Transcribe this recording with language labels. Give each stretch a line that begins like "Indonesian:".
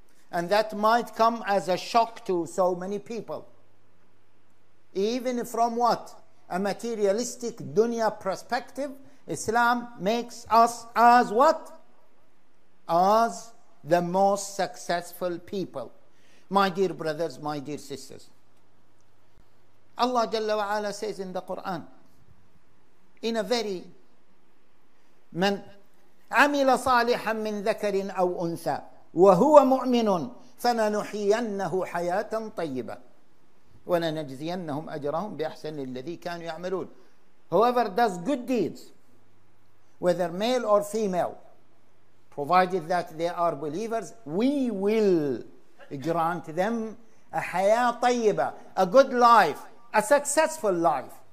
English: And that might come as a shock to so many people. Even from what? A materialistic dunya perspective, Islam makes us as what? as the most successful people. My dear brothers, my dear sisters, Allah Jalla wa Ala says in the Quran, in a very,
Arabic: من عمل صالحا من ذكر أو أنثى وهو مؤمن فلنحيينه حياة طيبة ولنجزينهم أجرهم بأحسن الذي كانوا يعملون.
English: Whoever does good deeds, whether male or female, provided that they are believers, we will grant them a
Arabic: حياة طيبة,
English: a good life, a successful life.